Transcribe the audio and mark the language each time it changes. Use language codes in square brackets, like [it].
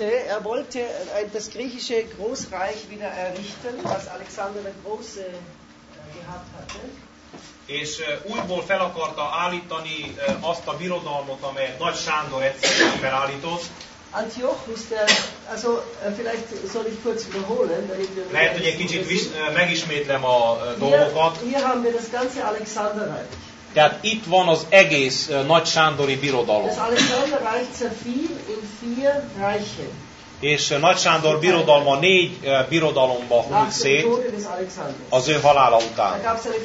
[de] Er wollte das griechische Großreich wieder errichten, was Alexander der Große gehabt hatte. [hu] És újból fel akarta állítani azt a birodalmat, amelyet Nagy Sándor egyszerűen felállított. [de] Antiochus, vielleicht soll ich kurz wiederholen, [hu] lehet, hogy egy kicsit megismétlem a dolgokat. [de] Hier haben wir das ganze Alexanderreich. [hu] Tehát itt van az egész Nagy Sándori birodalom. [de] Das Alexanderreich zerfiel in vier Reiche. [hu] És Nagy Sándor birodalma négy birodalomba hult szét az ő halála után.